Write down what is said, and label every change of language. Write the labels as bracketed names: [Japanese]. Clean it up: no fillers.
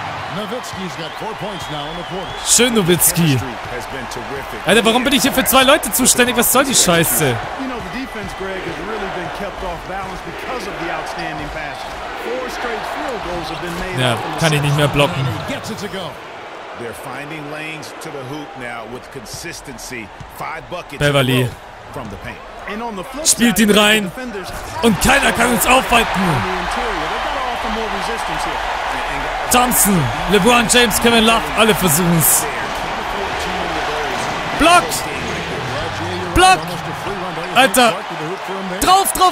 [English] Nowitzki's got 4 points now in the quarter. [German] Schön, Nowitzki. Alter, warum bin ich hier für zwei Leute zuständig? Was soll die Scheiße? [English] You know, the defense, Greg, has really been kept off balance because of the outstanding pass. [German] Ja, kann ich nicht mehr blocken. [English] They're finding lanes to the hoop now with consistency. 5 buckets. Beverly from the paint. And on the flip side, [German] spielt ihn rein. Und keiner kann uns aufhalten. Thompson, LeBron James, Kevin Love, alle versuchen es. Block! Block! Alter! Drauf!